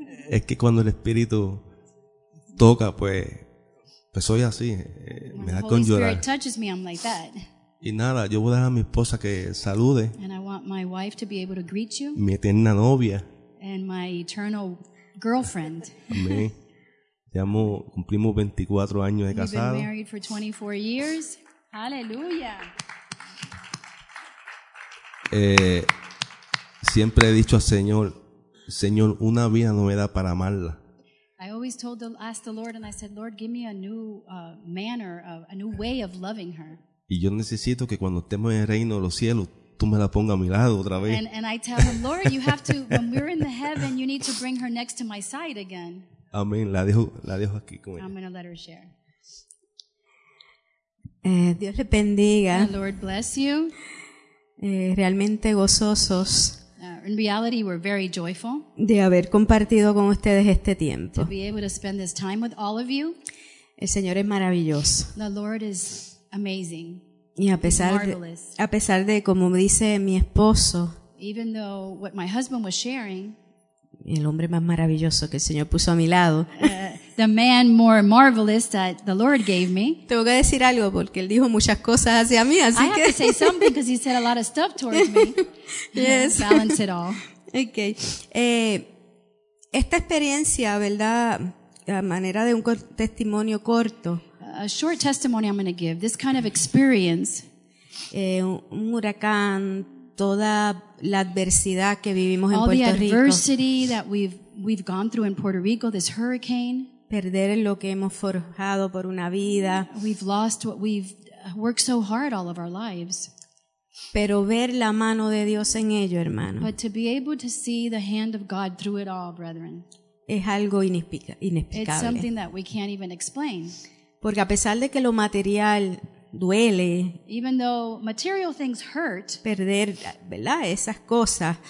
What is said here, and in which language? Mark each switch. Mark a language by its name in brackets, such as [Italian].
[Spanish] Es que cuando el Espíritu toca, pues soy así. Me da con llorar. [English] Me, I'm like that. [Spanish] Y nada, yo voy a dejar a mi esposa que salude. [English] And I want my wife to be able to greet you. [Spanish] Mi eterna novia. [English] And my eternal girlfriend. [Spanish] Amén. Llevamos, cumplimos 24 años de casado. [English] We've been married for 24 years. Aleluya. [Spanish] Siempre he dicho al Señor, Señor, una vida no me da para amarla. [English] I always told the, asked the Lord and I said, Lord, give me a new manner, a new way of loving her. [Spanish] Y yo necesito que cuando estemos en el reino de los cielos, tú me la pongas a mi lado otra vez. [English] And I tell him, Lord, you have to, when we're in the heaven, you need to bring her next to my side again. [Spanish] Amén. La dejo aquí con ella. [English] I'm going to let her share. [Spanish] Dios le bendiga. [English] The Lord bless you. [Spanish] Realmente gozosos. [English] In reality, we're very joyful. [Spanish] De haber compartido con ustedes este tiempo. [English] To be able to spend this time with all of you. [Spanish] El Señor es maravilloso. [English] The Lord is amazing. [Spanish] Y a pesar de como dice mi esposo, [English] even though what my husband was sharing, [Spanish] el hombre más maravilloso que el Señor puso a mi lado, [English] the man more marvelous that the Lord gave me, [Spanish] tengo que decir algo porque él dijo muchas cosas hacia mí, así [English] I I have to say something because he said a lot of stuff towards me. Yes, you know, balance it all. Okay. [Spanish] Esta experiencia, verdad, a manera de un testimonio corto. [English] A short testimony I'm going to give. This kind of experience. [Spanish] Un huracán, toda la adversidad que vivimos en Puerto Rico. [English] All the adversity that we've gone through in Puerto Rico, this hurricane. [Spanish] Perder lo que hemos forjado por una vida. [English] We've lost what we've worked so hard all of our lives. [Spanish] Pero ver la mano de Dios en ello, hermano. [English] But to be able to see the hand of God through it all, brethren. [Spanish] Es algo inexplicable. [English] It's something that we can't even explain. [Spanish] Porque a pesar de que lo material duele, [English] even though material things hurt, [Spanish] perder, ¿verdad?, esas cosas,